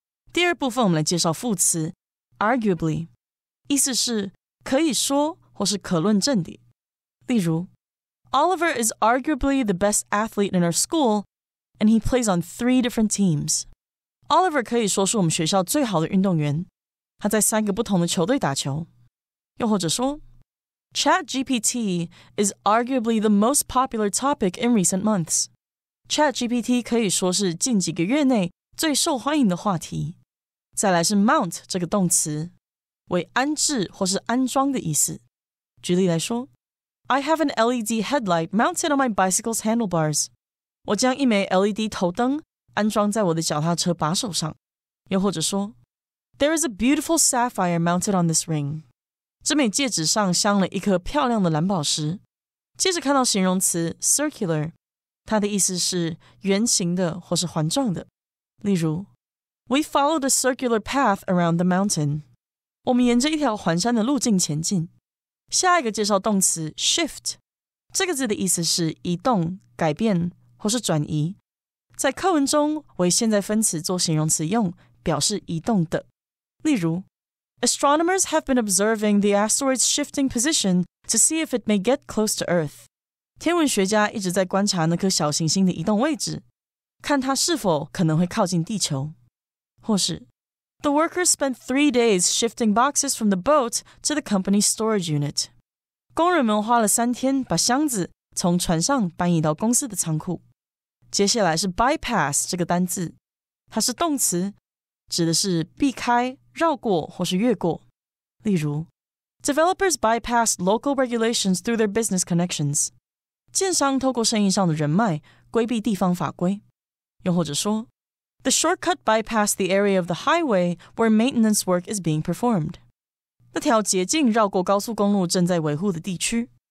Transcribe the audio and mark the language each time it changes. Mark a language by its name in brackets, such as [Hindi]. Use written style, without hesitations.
[Chinese] Arguably, 意思是可以说或是可论证的。 [English] 例如 ,Oliver is arguably the best athlete in our school, and he plays on 3 different teams. [Chinese] Oliver 可以说是我们学校最好的运动员，他在三个不同的球队打球。 [English] 又或者说 ,ChatGPT is arguably the most popular topic in recent months. [Chinese] ChatGPT 可以说是近几个月内最受欢迎的话题。再来是 mount 这个动词，为安置或是安装的意思。 [English] 举例来说 ，I have an LED headlight mounted on my bicycle's handlebars. [Chinese] 我将一枚 LED 头灯安装在我的脚踏车把手上。 [English] 又或者说 ，There is a beautiful sapphire mounted on this ring. [Chinese] 这枚戒指上镶了一颗漂亮的蓝宝石。接着看到形容词 circular， 它的意思是圆形的或是环状的。例如。 [English] We followed a circular path around the mountain. [Chinese] 我们沿着一条环山的路径前进。下一个介绍动词 shift， 这个字的意思是移动、改变或是转移。在课文中为现在分词做形容词用，表示移动的。 [English] 例如 ，Astronomers have been observing the asteroid's shifting position to see if it may get close to Earth. [Chinese] 天文学家一直在观察那颗小行星的移动位置，看它是否可能会靠近地球。 [English] 或是 The workers spent 3 days shifting boxes from the boat to the company's storage unit. [Chinese] 工人们花了三天把箱子从船上搬移到公司的仓库。接下来是 bypass 这个单字，它是动词，指的是避开、绕过或是越过。 [English] 例如 Developers bypassed local regulations through their business connections. [Chinese] 建商透过生意上的人脉规避地方法规。 [English] 又或者说The shortcut bypassed the area of the highway where maintenance work is being performed. [Chinese] 那条捷径绕过高速公路正在维护的地区。